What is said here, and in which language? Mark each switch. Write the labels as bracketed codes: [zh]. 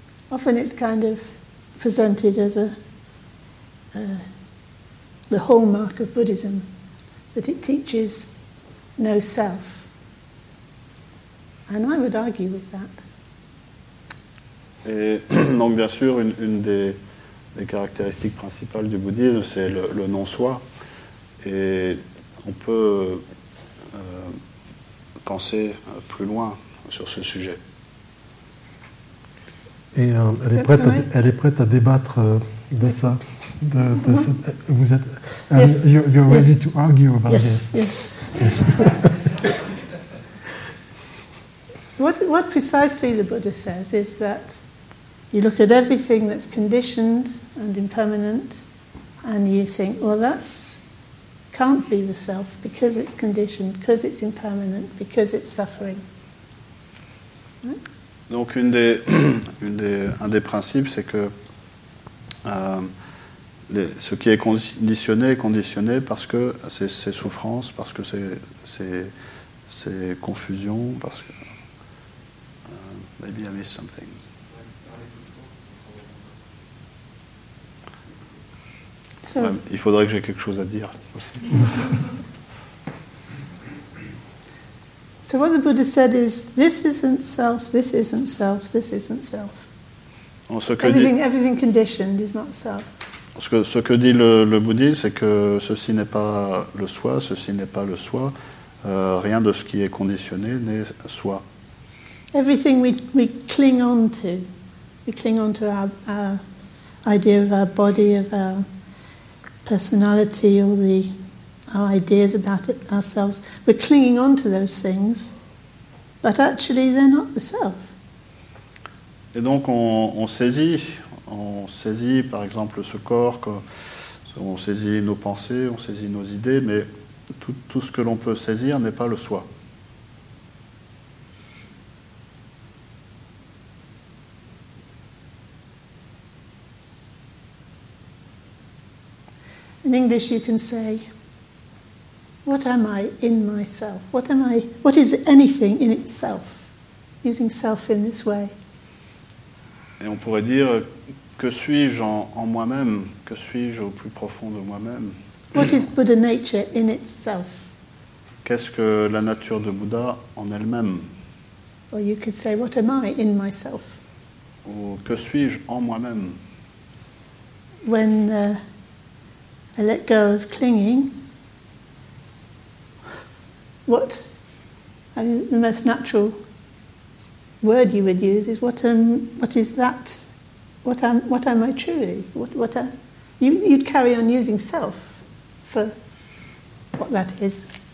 [en] Often it's kind of presented as the hallmark of Buddhism that it teaches no self. And I would argue with that. [fr] Et donc bien sûr, une des caractéristiques principales du bouddhisme, c'est le non-soi. Et on peut penser plus loin sur ce sujet. Et elle est prête à débattre de ça. De cette, vous êtes. [en] You're ready to argue about yes. this. Yes. What precisely the Buddha says is that you look at everything that's conditioned and impermanent and you think, well, that's can't be the self because it's conditioned, because it's impermanent, because it's suffering. Right? [fr] Donc un des principes, c'est que ce qui est conditionné parce que c'est souffrance, parce que c'est confusion, parce que... [en] Maybe I missed something. [fr] So, ouais, il faudrait que j'aie quelque chose à dire aussi. [en] So what the Buddha said is, this isn't self, this isn't self, this isn't self. [fr] Bon, ce que [en] everything conditioned is not self. [fr] Ce que dit le bouddhisme, c'est que ceci n'est pas le soi, ceci n'est pas le soi. Rien de ce qui est conditionné n'est soi. [en] Everything we cling on to our idea of our body, of our personality, all the our ideas about it, ourselves. We're clinging on to those things, but actually they're not the self. [fr] Et donc on saisit par exemple ce corps, on saisit nos pensées, on saisit nos idées, mais tout ce que l'on peut saisir n'est pas le soi. [en] In English, you can say, "What am I in myself? What am I? What is anything in itself?" Using self in this way. [fr] Et on pourrait dire, que suis-je en moi-même? Que suis-je au plus profond de moi-même? [en] What is Buddha nature in itself? [fr] Qu'est-ce que la nature de Bouddha en elle-même? [en] Or you could say, "What am I in myself?" [fr] Ou que suis-je en moi-même? [en] When I let go of clinging, what, I mean, the most natural word you would use is what am I truly, you'd carry on using self for what that is.